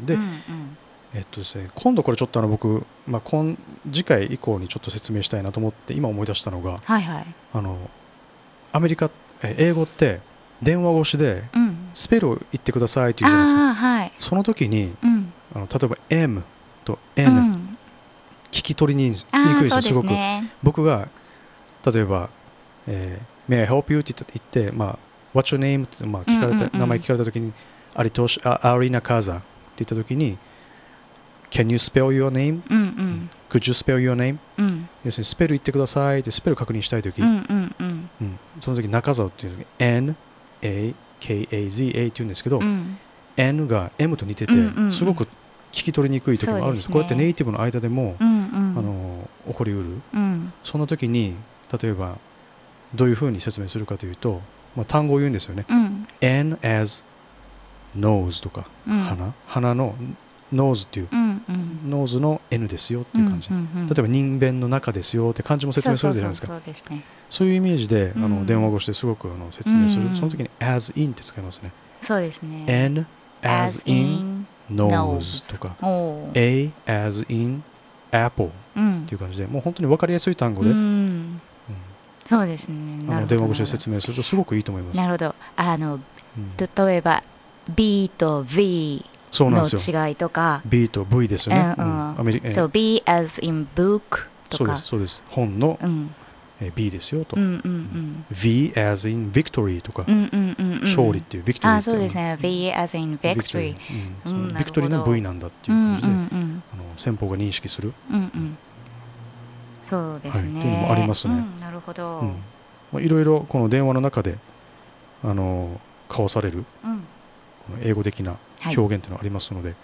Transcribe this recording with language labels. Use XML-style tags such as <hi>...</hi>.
<ja>で、うんうん、ですね、今度これちょっと僕、まあ、次回以降にちょっと説明したいなと思って今思い出したのが、はいはい、アメリカ、英語って電話越しでスペルを言ってくださいって言うじゃないですか、うん、あ、はい、その時に、うん、例えば M と N、うん、聞き取りにくいですよ、 すごく。僕が例えば、</ja> <en>May I help you?</en> <ja>って言って、まあ、</ja> <en>What's your name?</en> <ja>って、まあ、聞かれた、うんうんうん、名前聞かれた時にアリトシ、アリナカザって言った時に</ja> <en>Can you spell your name?、</en> <ja>うんうん、</ja> <en>Could you spell your name?、</en> <ja>うん、要するにスペル言ってくださいってスペル確認したい時、うんうんうんうん、その時ナカザっていう時 N-A-K-A-Z-A って言うんですけど、うん、 N が M と似てて、うんうん、すごく聞き取りにくい時もあるんです、そうですね、こうやってネイティブの間でも、うんうん、起こりうる、うん、そんな時に例えばどういうふうに説明するかというと、まあ、単語を言うんですよね、うん、</ja> <en>N as Nose とか、</en> <ja>うん、鼻の Nose っていう、うんうん、 Nose の N ですよっていう感じ、うんうんうん、例えば人弁の中ですよって感じも説明するじゃないですか、そうですね、そういうイメージで、うん、電話越しですごく説明する、うんうん、その時に As in って使いますね、そうですね、</ja> <en>N as in Nose とか A as in Apple</en> <ja>っていう感じで、うん、もう本当に分かりやすい単語で、うんそうですね、なるほど、電話越しで説明するとすごくいいと思います。なるほど、うん、例えば B と V の違いとか、 B と V ですよね、</ja> <en>うん、so, B as in book とか、</en> <ja>そうです、そうです、本の、うん、 B ですよと、うんうんうん、</ja> <en>V as in victory とか、</en> <ja>うんうんうんうん、勝利っていう、 victory って、あ、そうですね、</ja> <en>V as in victory、</en> <ja>victory、うん、の V なんだっていう感じで、うんうんうん、先方が認識する、うんうん、そうですね、はい、というのもありますね、うん、なるほど、うん、まあ、いろいろこの電話の中で交わされる、うん、この英語的な表現というのがありますので、</ja>